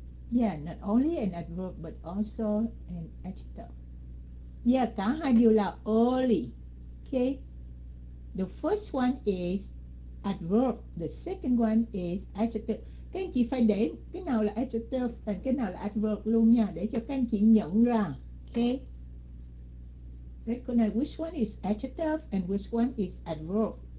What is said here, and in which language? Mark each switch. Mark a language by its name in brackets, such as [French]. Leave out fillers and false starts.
[English] Yeah, not only an adverb but also an adjective. Yeah, [Vietnamese] cả hai đều là [English] early. Okay. The first one is adverb, the second one is adjective. [Vietnamese] Các anh chị phải để cái nào là adjective và cái nào là adverb luôn nha, để cho các anh chị nhận ra. Okay. [English] Recognize which one is adjective and which one is adverb.